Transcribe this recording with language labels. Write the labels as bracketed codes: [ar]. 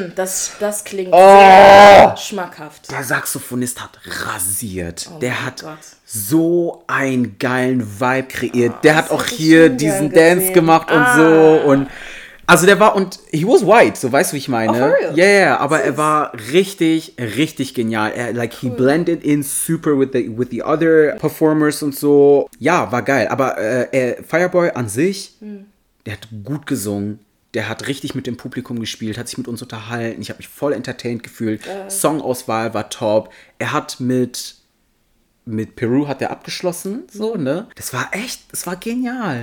[de] Das klingt sehr schmackhaft. Der Saxophonist hat rasiert. Oh, der hat so einen geilen Vibe kreiert. Der hat auch hier diesen Dance gemacht und so. Und also der war, und he was white, so weißt du, wie ich meine. [en] Oh, for real? [de] Yeah, aber er war richtig, richtig genial. [en] Er, like, cool. He blended in super with the other performers und so. [de] Ja, war geil. Aber Fireboy an sich, der hat gut gesungen. Der hat richtig mit dem Publikum gespielt, hat sich mit uns unterhalten. Ich habe mich voll entertained gefühlt. Songauswahl war top. Er hat mit Peru hat er abgeschlossen, so, ne? Das war genial.